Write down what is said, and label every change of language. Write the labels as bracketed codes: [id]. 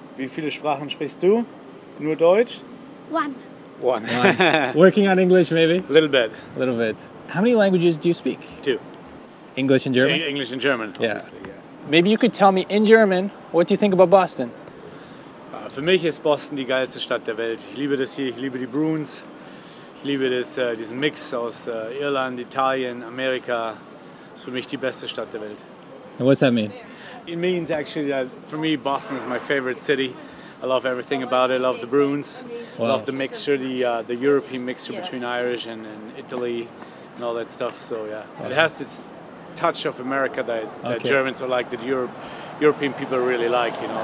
[de] Wie viele Sprachen sprichst du? Nur Deutsch? [en] One. Working on English, maybe? A little bit. How many languages do you speak? Two. English and German? English and German, obviously, yeah. Maybe you could tell me in German, what do you think about Boston? [de] Für mich ist Boston die geilste Stadt der Welt. Ich liebe das hier, ich liebe die Bruins. Ich liebe das, diesen Mix aus Irland, Italien, Amerika. Ist für mich die beste Stadt der Welt. [en] And what's that mean? It means actually that for me, Boston is my favorite city. I love everything about it. I love the Bruins. I love the mixture, the European mixture between Irish and Italy and all that stuff. So, yeah. Okay. It has this touch of America that Germans are like, that European people really like, you know.